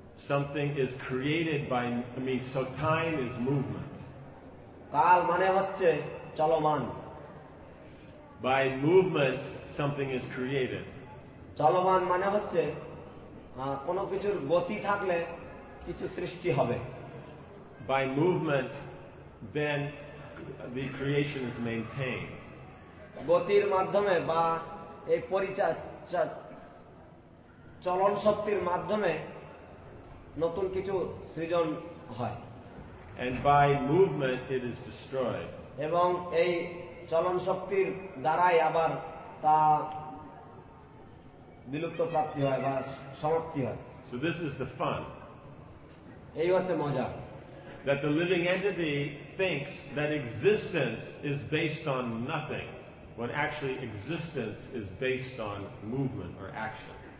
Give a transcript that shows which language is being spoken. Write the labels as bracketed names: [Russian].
[English] Something is created by me, so time is movement. [Bangla] কাল মানে হচ্ছে চলমান. [English] By movement, something is created. [Bangla] চলমান মানে হচ্ছে কোনো কিছুর গতি থাকলে কিছু সৃষ্টি হবে. [English] By movement, then the creation is maintained. [Bangla] গতির মাধ্যমে বা এই পরিচর্যা চলন শক্তির মাধ্যমে নতুন কিছু সৃজন হয়. [English] And by movement, it is destroyed. [Bangla] এবং এই চলন শক্তির দ্বারাই আবার তা বিলুপ্ত প্রাপ্তি হয় বা সমাপ্তি হয়. [English] So this is the fun. [Bangla] এই হচ্ছে মজা. [English] That the living entity thinks that existence is based on nothing, when actually existence is based on movement or action.